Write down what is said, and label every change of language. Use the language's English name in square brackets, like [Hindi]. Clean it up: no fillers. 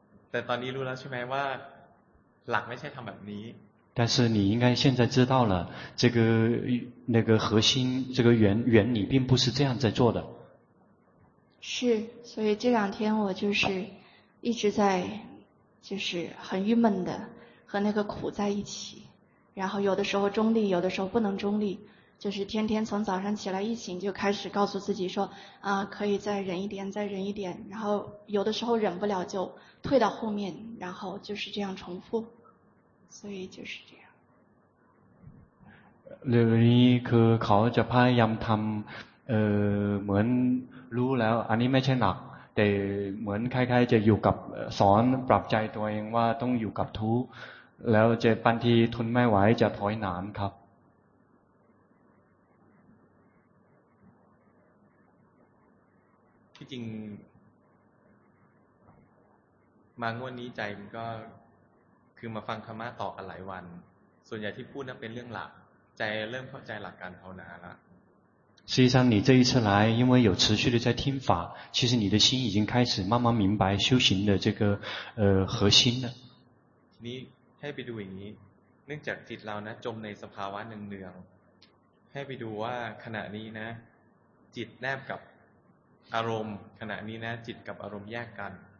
[Thai] แต่ตอนนี้รู้แล้วใช่ไหมว่าหลักไม่ใช่ทำแบบนี้ [Chinese] 但是你应该现在知道了这个那个核心这个原理并不是这样在做的是所以这两天我就是一直在就是很郁闷的和那个苦在一起然后有的时候中立有的时候不能中立就是天天从早上起来一醒就开始告诉自己说啊可以再忍一点再忍一点然后有的时候忍不了就退到后面然后就是这样重复所以就是这样 [Thai] เรื่องนี้คือเขาจะพยายามทำเหมือนรู้แล้วอันนี้ไม่ใช่หนักแต่เหมือนคล้ายๆจะอยู่กับสอนปรับใจตัวเองว่าต้องอยู่กับทุกข์แล้วจะบางทีทนไม่ไหวจะถอยหนานครับ ที่จริงมางวดนี้ใจมันก็คือมาฟังธรรมะต่อกันหลายวันส่วนใหญ่ที่พูดนั้นเป็นเรื่องหลักใจเริ่มเข้าใจหลักการภาวนาแล้ว [Chinese] 实际上你这一次来因为有持续的在听法其实你的心已经开始慢慢明白修行的这个核心了你 [Thai] ให้ไปดูอย่างนี้เนื่องจากจิตเรานะจมในสภาวะเนืองๆให้ไปดูว่าขณะนี้นะจิตแนบกับอารมณ์ขณะนี้นะจิตกับอารมณ์แยกกัน